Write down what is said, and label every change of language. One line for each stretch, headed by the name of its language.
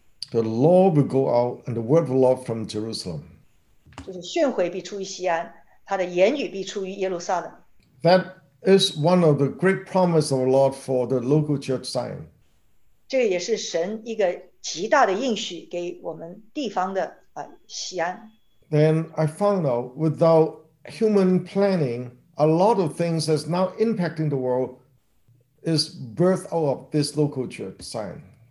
English: The law will go out, and the word of the Lord from Jerusalem.
Chinese: 就是训诲必出于锡安，他的言语必出于耶路撒冷。
English: That is one of the great promises of the Lord for the local church Zion.
Chinese: 这也是神一个极大的应许给我们地方的锡安。
English: Then I found out without human planning, a lot of things that's now impacting the world is birthed out of this local church sign.